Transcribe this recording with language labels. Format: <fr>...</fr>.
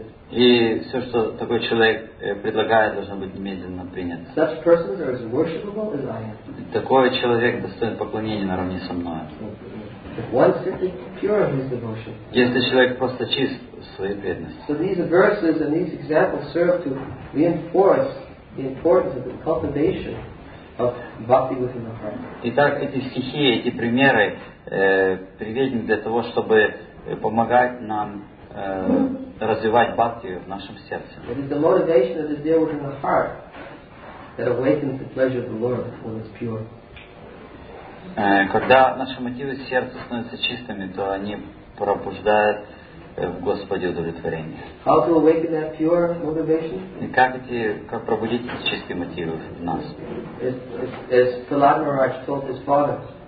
<ru>И все, что такой человек предлагает, должно быть немедленно принято.</ru> <en>Such persons are as worshipable as I am.</en> <ru>Такой человек достоин поклонения наравне со мной. Если человек просто чист в своей преданности.</ru> <en>So these verses and these examples serve to reinforce the importance of the cultivation of bhakti within the heart.</en> <ru>Итак, эти стихи, эти примеры приведены для того, чтобы помогать нам развивать бхакти в нашем сердце.</ru> <en>It is the motivation that is there within the heart that awakens the pleasure of the Lord when it's pure.</en> <ru>Когда наши мотивы сердца становятся чистыми, то они пробуждают в Господе удовлетворение.</ru> <en>How to awaken that pure motivation?</en> <ru>Как пробудить эти чистые мотивы в нас?</ru> <en>As Prahlad Maharaj told his father,</en>